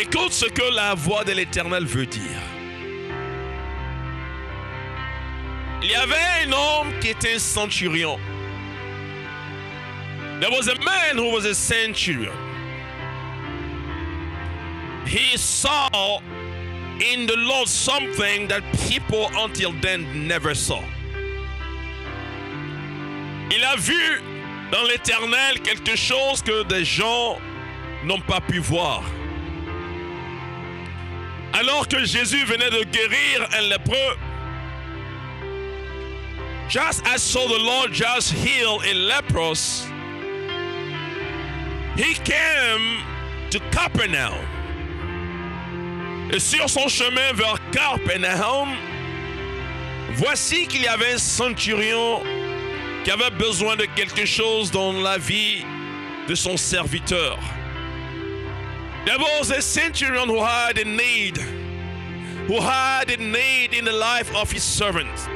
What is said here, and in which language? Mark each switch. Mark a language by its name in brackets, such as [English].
[French] Écoute ce que la voix de l'Éternel veut dire. Il y avait un homme qui était un centurion. [English] There was a man who was a centurion. He saw in the Lord something that people until then never saw. [French] Il a vu dans l'Éternel quelque chose que des gens n'ont pas pu voir. Alors que Jésus venait de guérir un lépreux, [English] just as saw the Lord just heal a leprous, he came to Capernaum. [French] Et sur son chemin vers Capernaum, voici qu'il y avait un centurion qui avait besoin de quelque chose dans la vie de son serviteur. [English] There was a centurion who had a need in the life of his servant.